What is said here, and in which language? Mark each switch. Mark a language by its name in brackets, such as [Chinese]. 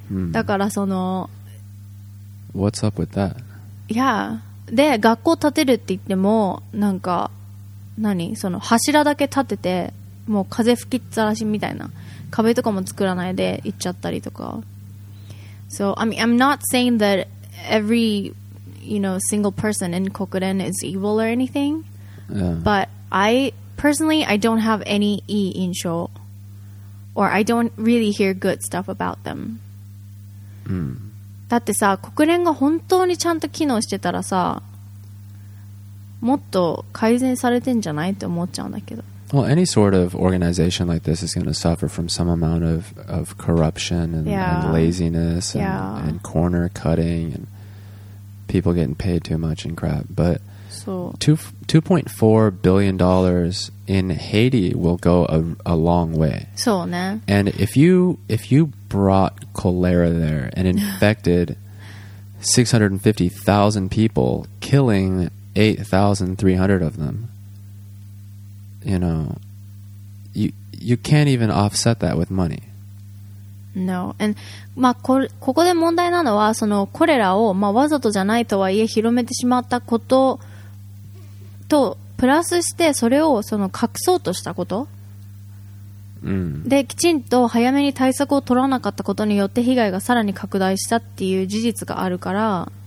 [Japanese] だからその、 [English] What's up with that? [Japanese] いや、で学校建てるって言ってもなんか何その柱だけ建ててもう風吹きっさらしみたいな壁とかも作らないで行っちゃったりとか。 [English] So I mean I'm not saying that every you know single person in Kokuren is evil or anything, but I personally I don't have any insho or I don't really hear good stuff about them. [Japanese] だってさ、国連が本当にちゃんと機能してたらさ、もっと改善されてんじゃないって思っちゃうんだけど。 [English] Well, any sort of organization like this is going to suffer from some amount of corruption and, and laziness and, and corner cutting and people getting paid too much and crap. But $2.4 billion in Haiti will go a long way. [Japanese] そうね。 [English] And if you brought cholera there and infected 650,000 people, killing 8,300 of them, you know, you can't even offset that with money. No. And, [Japanese] まあ、ここで問題なのは、そのコレラを、まあ、わざとじゃないとはいえ広めてしまったことと、プラスしてそれをその隠そうとしたこと。できちんと早めに対策を取らなかったことによって被害がさらに拡大したっていう事実があるから、